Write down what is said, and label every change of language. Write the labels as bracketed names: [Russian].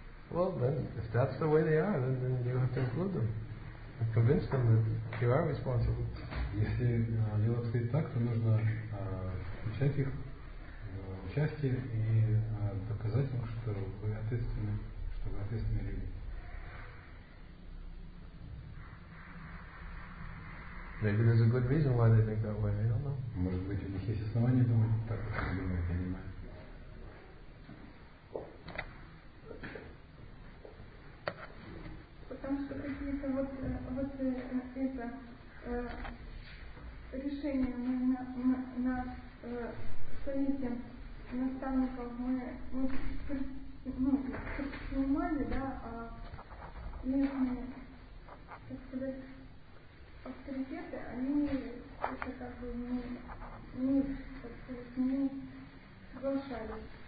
[English] Well then, if that's the way they are, then you have to include them and convince them that you are responsible. [Russian] Если дело обстоит так, то нужно включать их. Участие и доказать им, что вы ответственны, что вы ответственные люди. [English] Maybe there's a good reason why they think that way. I don't know. [Russian] Может быть, у них есть основания думать так, как они думают, я не знаю. Потому что какие-то вот, вот это решение на совете наставников мы принимали, да, а местные, так сказать, авторитеты, они это как бы не, так сказать, не соглашались.